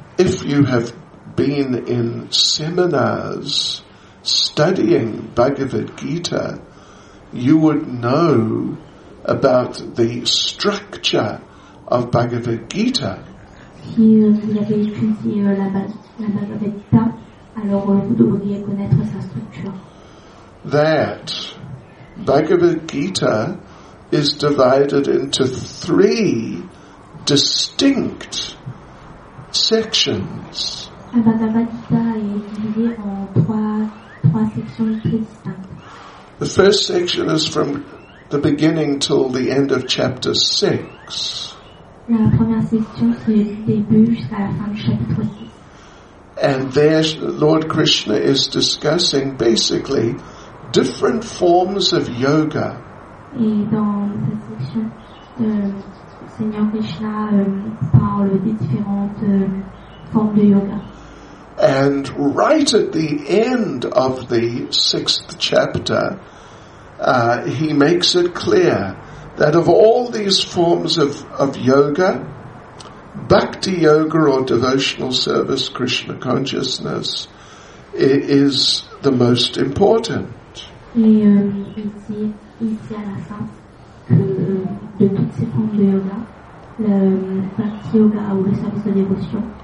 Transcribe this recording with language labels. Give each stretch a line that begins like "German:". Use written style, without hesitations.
English: If you have been in seminars studying Bhagavad Gita, you would know about the structure of Bhagavad Gita.
French: Si vous avez étudié la Bhagavad Gita, alors vous devriez connaître sa structure.
English: That Bhagavad Gita is divided into three distinct sections.
French: La Bhagavad Gita est divisée en trois sections très distinctes.
English: The first section is from the beginning till the end of chapter 6.
French: La première section c'est du début jusqu'à la fin du chapitre 6.
English: And there Lord Krishna is discussing basically different forms of yoga.
French: Et dans cette section Seigneur Krishna parle des différentes formes de yoga.
English: And right at the end of the sixth chapter, he makes it clear that of all these forms of yoga, bhakti yoga or devotional service, Krishna consciousness, is the most important.
French: Et il dit à la fin que de toutes ces formes de yoga, le bhakti yoga ou le service de dévotion,